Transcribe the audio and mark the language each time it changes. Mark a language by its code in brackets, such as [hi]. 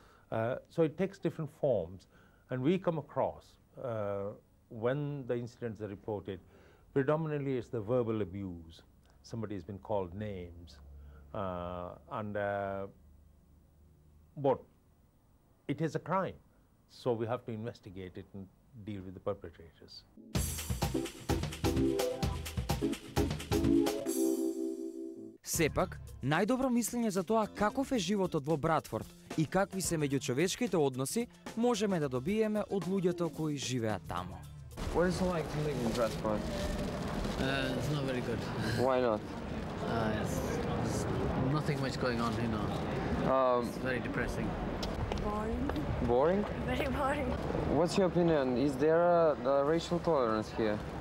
[en] So it takes different forms. And we come across, when the incidents are reported, predominantly it's the verbal abuse. Somebody has been called names, but it is a crime, so we have to investigate it and deal with the perpetrators. [mk] Сепак, најдобро мислење за тоа каков е животот во Братфорд и какви се меѓучовечките односи можеме да добиеме од луѓето кои живеат таму. [en] What is it like to live in Bradford? It's not very good. Why not? It's nothing much going on, you know. It's very depressing. Boring. Boring? Very boring. What's your opinion? Is there a racial tolerance here?